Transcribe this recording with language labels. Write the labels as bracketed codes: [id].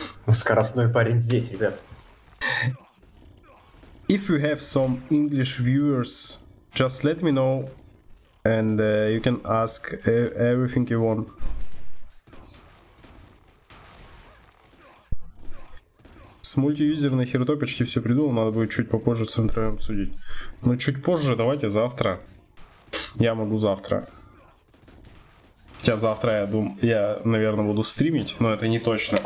[ru] Скоростной парень здесь, ребят. [en] If you have some English viewers, just let me know, and you can ask everything you want. [ru] С мультиюзерной херто почти все придумал, надо будет чуть попозже с центром обсудить. Но чуть позже, давайте завтра. Я могу завтра. Хотя завтра я думаю, я, наверное, буду стримить, но это не точно.